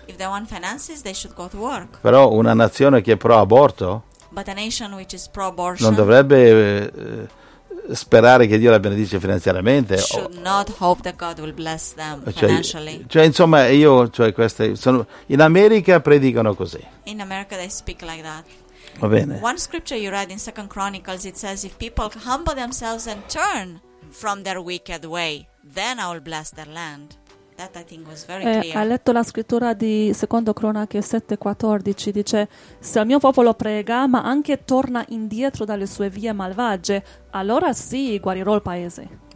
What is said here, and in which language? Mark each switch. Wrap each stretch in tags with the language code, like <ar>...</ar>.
<en>If they want finances, they should go to work.</en> <it>Però una nazione che è pro aborto,</it> <en>but a nation which is pro abortion,</en> <it>non dovrebbe sperare che Dio la benedice finanziariamente.</it> <en>Should not hope that God will bless them financially.</en> <it>Cioè, in America predicano così.</it> <en>In America they speak like that.</en> <it>Va bene.</it> <en>One scripture you read in Second Chronicles, it says, if people humble themselves and turn from their wicked way, then I will bless their land. That I think was very clear.</en> <it>Ha letto la scrittura di Secondo Cronache 7:14, dice, se il mio popolo prega, ma anche torna indietro dalle sue vie malvagie, allora sì, guarirò il paese.</it>